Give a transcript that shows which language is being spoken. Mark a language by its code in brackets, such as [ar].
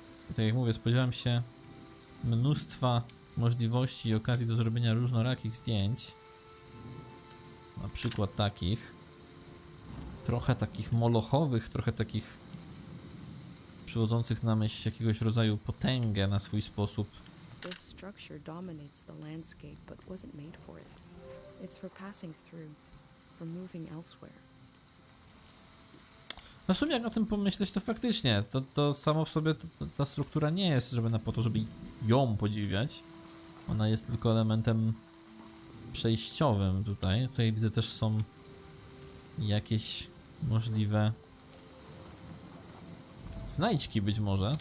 [pl] I tak jak mówię, spodziewam się mnóstwa możliwości i okazji do zrobienia różnorakich zdjęć. Na przykład takich. Trochę takich molochowych, trochę takich przywodzących na myśl jakiegoś rodzaju potęgę na swój sposób. [en] This structure dominates the landscape, but wasn't made for it. It's for passing through, for moving elsewhere. [pl] No w sumie jak o tym pomyśleć, to faktycznie, to samo w sobie ta struktura nie jest, żeby na po to, żeby ją podziwiać. Ona jest tylko elementem przejściowym tutaj. Tutaj widzę też są jakieś możliwe znajdźki być może.